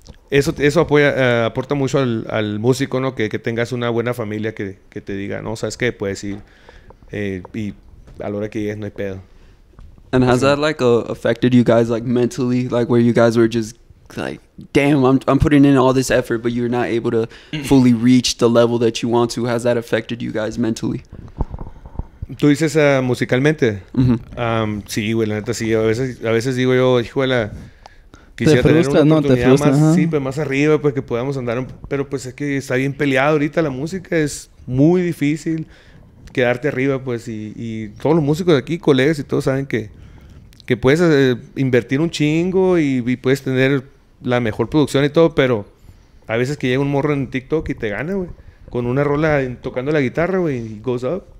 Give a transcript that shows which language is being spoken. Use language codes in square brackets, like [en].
[es] Eso apoya, aporta mucho al músico, ¿no? Que tengas una buena familia que te diga, no, ¿sabes qué? Puedes ir y a la hora que llegues no hay pedo. [en] And has that, like, affected you guys, like, mentally? Like, where you guys were just, like, damn, I'm putting in all this effort, but you're not able to fully reach the level that you want to. Has that affected you guys mentally? [es] ¿Tú dices musicalmente? Mm-hmm. Sí, güey, la neta, sí. A veces digo yo, hijuela, quisiera tener una oportunidad más, sí, pues más arriba, pues que podamos andar, pero pues es que está bien peleado ahorita la música, es muy difícil quedarte arriba, pues, y todos los músicos de aquí, colegas y todos saben que puedes invertir un chingo y puedes tener la mejor producción y todo, pero a veces que llega un morro en TikTok y te gana, güey, con una rola tocando la guitarra, güey, y [en] goes up.